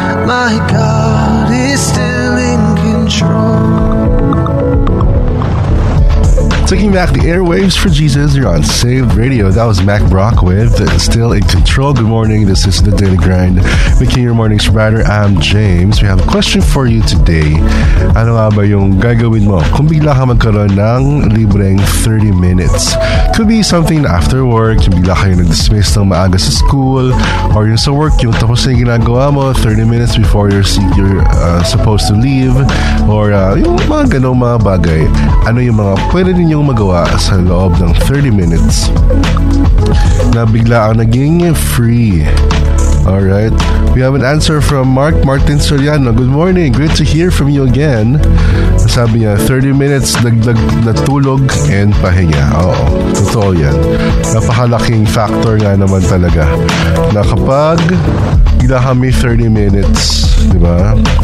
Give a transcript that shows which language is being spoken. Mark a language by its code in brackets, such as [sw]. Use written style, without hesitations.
[en] My God is still in control. Taking back the airwaves for Jesus, you're on Saved Radio. That was Mac Brock with Still in Control. Good morning, this is the Daily Grind, making your mornings brighter. I'm James. We have a question for you today. [tl] Ano nga ba yung gagawin mo kung bigla ka magkaroon ng libreng 30 minutes? [en] Could be something after work, [tl] yung bigla kayo nag-dismiss ng maaga sa school, or yung sa work, yung tapos na yung ginagawa mo [en] 30 minutes before you're supposed to leave, [tl] or yung mga ganong mga bagay. Ano yung mga pwede rin yung magawa sa loob ng 30 minutes na bigla ang naging free [en] All right. We have an answer from Mark Martin Soriano. Good morning. Great to hear from you again. [tl] Sabi niya, 30 minutes natulog and pahinga. Oo, totoo yan. Napakalaking factor nga naman talaga. Na kapag gila kami 30 minutes, di ba?